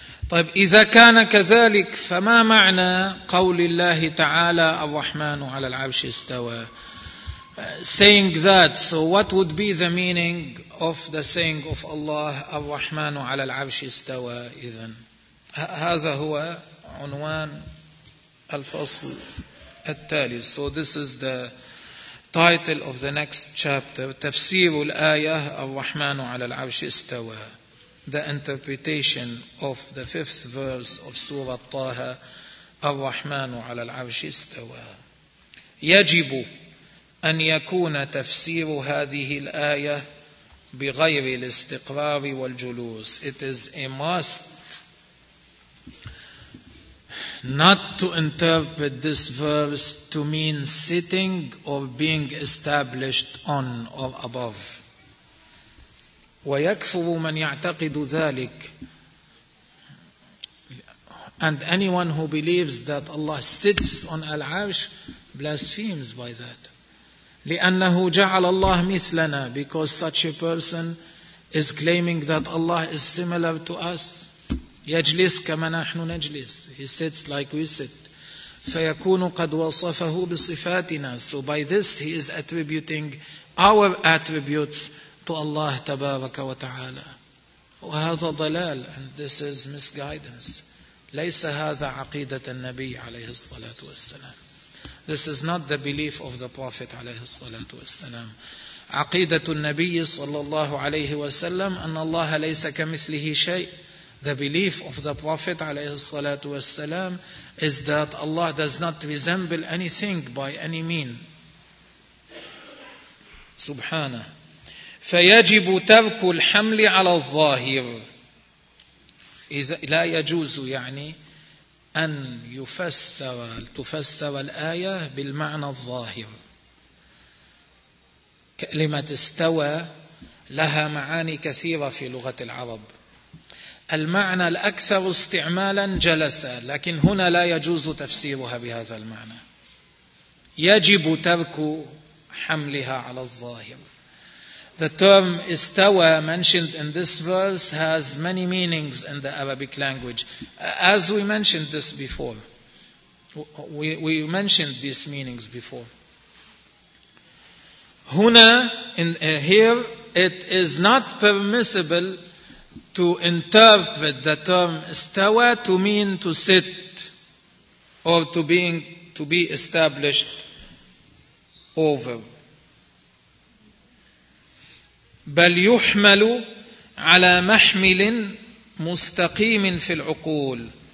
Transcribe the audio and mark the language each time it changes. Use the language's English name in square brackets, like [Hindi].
[Arabic] طيب إذا كان كذلك فما معنى قول الله تعالى الرحمن على العرش استوى؟ [English] Saying that, so what would be the meaning of the saying of Allah [Arabic] الرحمن على العرش استوى إذن؟ هذا هو عنوان الفصل التالي. [English] So this is the title of the next chapter, [Arabic] تفسير الآية الرحمن على العرش استوى. [English] The interpretation of the fifth verse of Surah Taha, [Arabic] الرحمن على العرش استوى. يجب أن يكون تفسير هذه الآية بغير الاستقرار والجلوس. [English] It is a must not to interpret this verse to mean sitting or being established on or above. [Arabic] وَيَكْفُرُ مَنْ يَعْتَقِدُ ذَلِكَ. [English] And anyone who believes that Allah sits on Al-Arsh blasphemes by that. [Arabic] لِأَنَّهُ جَعَلَ اللَّهُ مِثْلَنَا. [English] Because such a person is claiming that Allah is similar to us. [Arabic] يَجْلِسْ كَمَا نَحْنُ نَجْلِسْ. [English] He sits like we sit. [Arabic] فيكون قد وصفه بصفاتنا. [English] So by this he is attributing our attributes to Allah [Arabic] تبارك وتعالى. وهذا ضلال, [English] and this is misguidance. [Arabic] ليس هذا عقيدة النبي عليه الصلاة والسلام. [English] This is not the belief of the Prophet عليه الصلاة والسلام. [Arabic] عقيدة النبي صلى الله عليه وسلم أن الله ليس كمثله شيء. [English] The belief of the Prophet عليه الصلاة والسلام is that Allah does not resemble anything by any mean. [Arabic] سبحانه. فيجب ترك الحمل على الظاهر. إذا لا يجوز يعني أن تفسر الآية بالمعنى الظاهر. كلمة استوى لها معاني كثيرة في لغة العرب. المعنى الأكثر استعمالا جلسة, لكن هنا لا يجوز تفسيرها بهذا المعنى. يجب ترك حملها على الظاهر. [English] The term istawa mentioned in this verse has many meanings in the Arabic language. As we mentioned this before, we mentioned these meanings before. Huna, here it is not permissible to interpret the term istawa to mean to sit or to be established over. [Arabic] بل يحمل على محمل مستقيم في العقول.